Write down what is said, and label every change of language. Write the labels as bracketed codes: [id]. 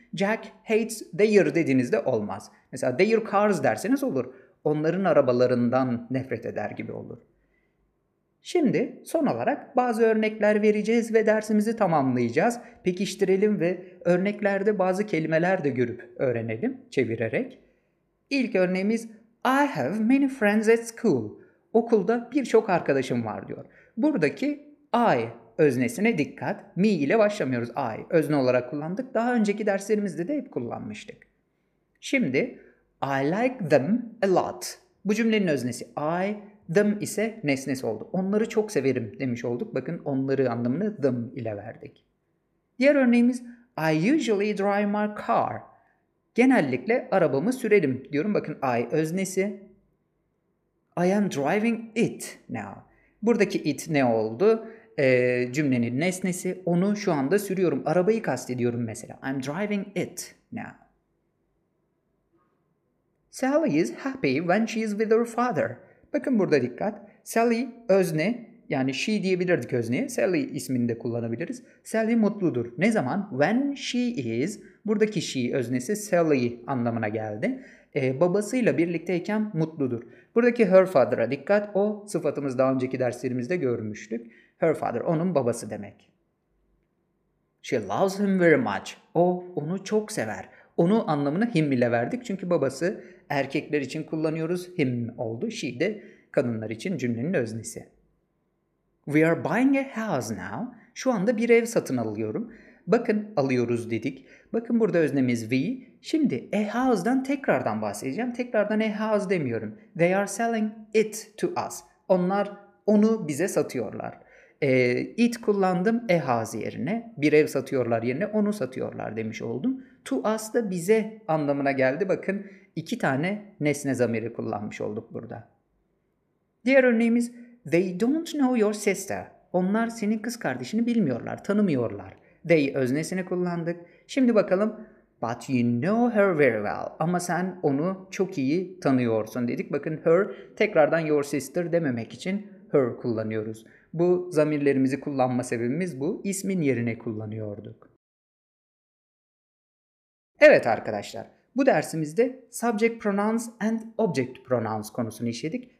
[tr] Jack hates their dediğinizde olmaz. Mesela their cars derseniz olur. Onların arabalarından nefret eder gibi olur. Şimdi son olarak bazı örnekler vereceğiz ve dersimizi tamamlayacağız. Pekiştirelim ve örneklerde bazı kelimeler de görüp öğrenelim çevirerek. İlk örneğimiz [en] I have many friends at school. [tr] Okulda birçok arkadaşım var diyor. Buradaki I öznesine dikkat. Me ile başlamıyoruz. I özne olarak kullandık. Daha önceki derslerimizde de hep kullanmıştık. [en] Şimdi I like them a lot. [tr] Bu cümlenin öznesi I. Them ise nesnesi oldu. Onları çok severim demiş olduk. Bakın onları anlamını them ile verdik. Diğer örneğimiz [en] I usually drive my car. [tr] Genellikle arabamı sürerim diyorum. Bakın I öznesi. [en] I am driving it now. [tr] Buradaki it ne oldu? Cümlenin nesnesi. Onu şu anda sürüyorum. Arabayı kastediyorum mesela. [en] I'm driving it now. Sally is happy when she is with her father. [tr] Bakın burada dikkat. Sally özne, yani she diyebilirdik özneye. Sally ismini de kullanabiliriz. Sally mutludur. Ne zaman? [en] When she is. [tr] Buradaki she öznesi Sally anlamına geldi. Babasıyla birlikteyken mutludur. Buradaki her father'a dikkat. O sıfatımız daha önceki derslerimizde görmüştük. [en] Her father [tr] onun babası demek. [en] She loves him very much. [tr] O onu çok sever. Onu anlamını him ile verdik. Çünkü babası erkekler için kullanıyoruz. Him oldu. She de kadınlar için cümlenin öznesi. [en] We are buying a house now. [tr] Şu anda bir ev satın alıyorum. Bakın alıyoruz dedik. Bakın burada öznemiz we. Şimdi a house'dan tekrardan bahsedeceğim. Tekrardan a house demiyorum. [en] They are selling it to us. [tr] Onlar onu bize satıyorlar. It kullandım a house yerine. Bir ev satıyorlar yerine onu satıyorlar demiş oldum. To us da bize anlamına geldi. Bakın iki tane nesne zamiri kullanmış olduk burada. Diğer örneğimiz [en] they don't know your sister. [tr] Onlar senin kız kardeşini bilmiyorlar, tanımıyorlar. They öznesini kullandık. Şimdi bakalım [en] but you know her very well. [tr] Ama sen onu çok iyi tanıyorsun dedik. Bakın her tekrardan your sister dememek için her kullanıyoruz. Bu zamirlerimizi kullanma sebebimiz bu. İsmin yerine kullanıyorduk. Evet arkadaşlar, bu dersimizde subject pronouns and object pronouns konusunu işledik.